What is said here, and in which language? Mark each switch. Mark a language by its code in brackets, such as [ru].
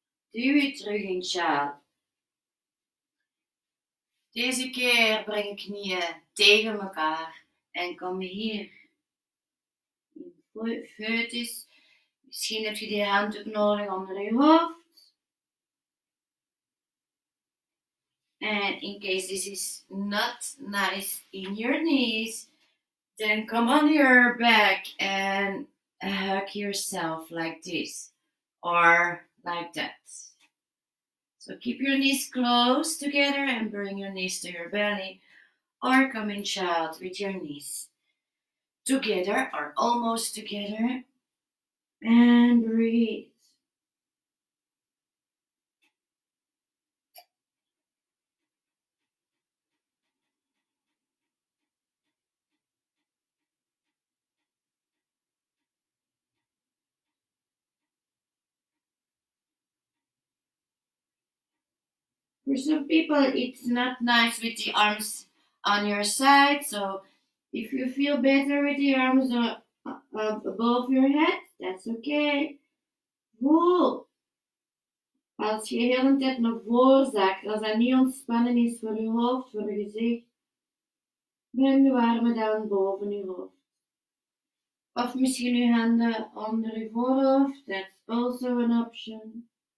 [nl] Duw weer terug in sjaal. Deze keer breng je knieën tegen elkaar en kom hier. Foetus. Misschien heb je die handdoek nodig onder je hoofd. [en] En in case this is not nice in your knees, then come on your back and hug yourself like this or like that. So keep your knees close together and bring your knees to your belly or come in child with your knees together or almost together and breathe. For some people, it's not nice with the arms on your side, so if you feel better with the arms above your head, that's okay. [nl] Voel. Als je de hele tijd naar voren zakt, als dat niet ontspannen is voor je hoofd, voor je gezicht, breng je armen dan boven je hoofd. Of misschien je handen onder je voorhoofd, [en] that's also an option.